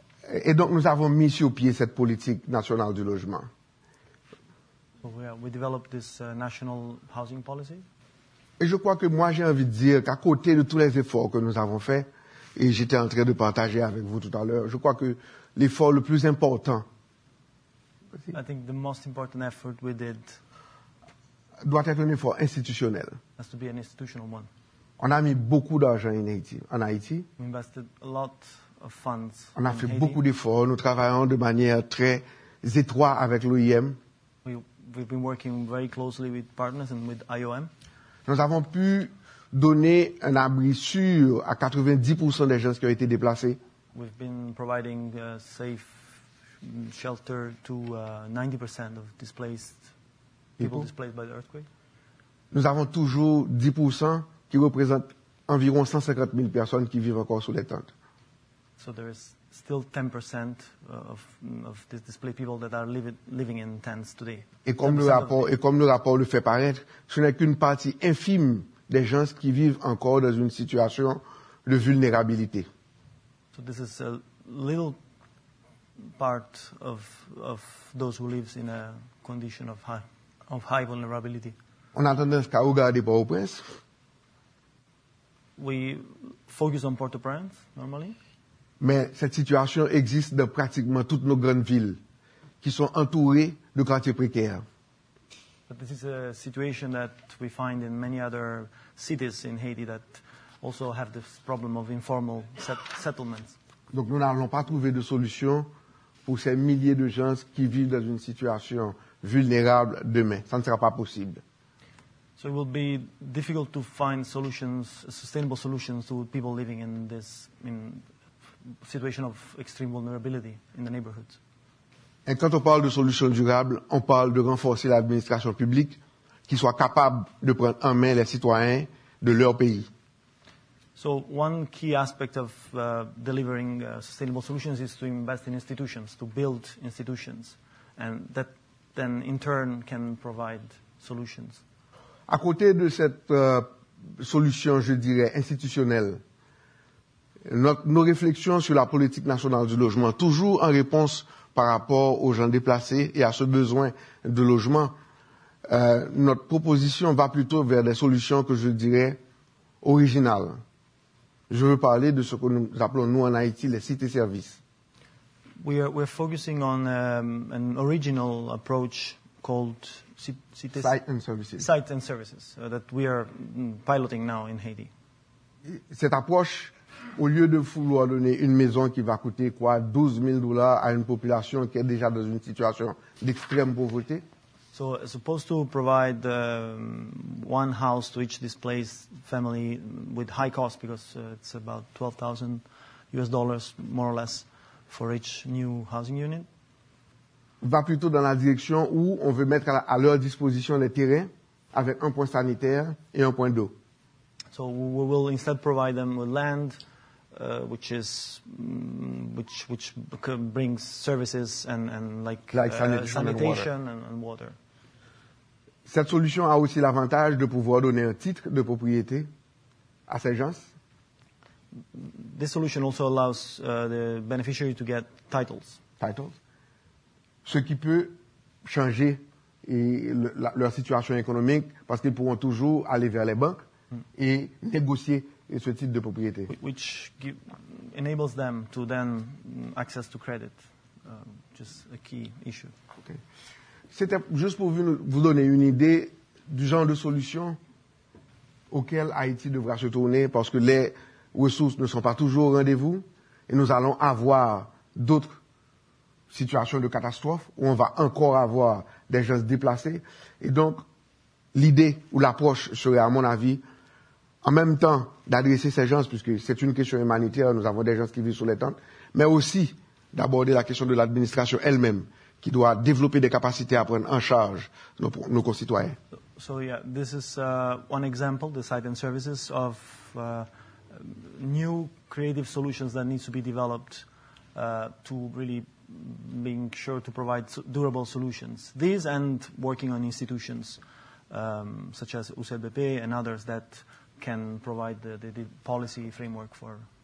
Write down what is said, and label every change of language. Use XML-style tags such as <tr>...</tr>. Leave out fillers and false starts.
<fr>Et donc nous avons mis sur pied cette politique nationale du logement.</fr> <en>We developed this national housing policy.</en> <fr>Et je crois que moi j'ai envie de dire qu'à côté de tous les efforts que nous avons faits, et j'étais en train de partager avec vous tout à l'heure, je crois que l'effort le plus important,</fr> <en>I think the most important effort we did,</en> <fr>doit être un effort institutionnel.</fr> <en>Has to be an institutional one.</en> <fr>On a mis beaucoup d'argent en Haïti.</fr> <en>We invested a lot of funds.</en> <fr>On a fait beaucoup d'efforts. Nous travaillons de manière très étroite avec l'OIM.</fr> <en>We've been working very closely with partners and with IOM.</en> <fr>Nous avons pu donner un abri sûr à 90% des gens qui ont été déplacés.</fr> <en>We've been providing safe shelter to 90% of displaced people displaced by the earthquake.</en> <fr>Nous avons toujours 10% qui représentent environ 150 000 personnes qui vivent encore sous les tentes.</fr> <en>So there is still 10% of the displaced people that are living in tents today.</en> <fr>Et comme le rapport le fait paraître, ce n'est qu'une partie infime des gens qui vivent encore dans une situation de vulnérabilité.</fr> <en>So this is a little part of those who live in a condition of high vulnerability.</en> <fr>On a tendance à regarder Port-au-Prince.</fr> <en>We focus on Port-au-Prince normally.</en> <fr>Mais cette situation existe dans pratiquement toutes nos grandes villes qui sont entourées de quartiers précaires.</fr> <en>But this is a situation that we find in many other cities in Haiti that also have this problem of informal settlements.</en> <fr>Donc nous n'allons pas trouver de solution pour ces milliers de gens qui vivent dans une situation vulnérable demain. Ça ne sera pas possible.</fr> <en>So it will be difficult to find solutions, sustainable solutions to people living in this in situation of extreme vulnerability in the neighborhoods.</en> <fr>Et quand on parle de solutions durables, on parle de renforcer l'administration publique qui soit capable de prendre en main les citoyens de leur pays.</fr> <en>So one key aspect of delivering sustainable solutions is to invest in institutions, to build institutions, and that then in turn can provide solutions.</en> <fr>À côté de cette solution, je dirais, institutionnelle, nos réflexions sur la politique nationale du logement, toujours en réponse par rapport aux gens déplacés et à ce besoin de logement, notre proposition va plutôt vers des solutions que je dirais originales. Je veux parler de ce que nous appelons, nous, en Haïti, les cités-services.</fr> <en>We're focusing on an original approach called cités-services. Sites and services that we are piloting now in Haiti.</en> <fr>Cette approche, au lieu de vouloir donner une maison qui va coûter quoi, $12,000 à une population qui est déjà dans une situation d'extrême pauvreté.</fr> <en>So as opposed to provide one house to each displaced family with high cost, because it's about $12,000 more or less for each new housing unit.</en> <fr>Va plutôt dans la direction où on veut mettre à leur disposition les terrains avec un point sanitaire et un point d'eau.</fr> <en>So we will instead provide them with land, which brings services and like sanitation and water.</en> <fr>Cette solution a aussi l'avantage de pouvoir donner un titre de propriété à ces gens.</fr> <en>This solution also allows the beneficiary to get titles. Titles.</en> <fr>Ce qui peut changer leur situation économique, parce qu'ils pourront toujours aller vers les banques et négocier ce titre de propriété.</fr> <en>Which enables them to then access to credit, just a key issue. Okay.</en> <fr>C'était juste pour vous donner une idée du genre de solution auquel Haïti devra se tourner, parce que les ressources ne sont pas toujours au rendez-vous et nous allons avoir d'autres situations de catastrophe où on va encore avoir des gens déplacés. Et donc, l'idée ou l'approche serait, à mon avis, en même temps d'adresser ces gens, puisque c'est une question humanitaire, nous avons des gens qui vivent sous les tentes, mais aussi d'aborder la question de l'administration elle-même, qui doit développer des capacités à prendre en charge nos concitoyens.</fr> <en>So yeah, this is one example, the site and services, of new creative solutions that need to be developed to really being sure to provide durable solutions. These and working on institutions such as UCLBP and others that can provide the policy framework for</en>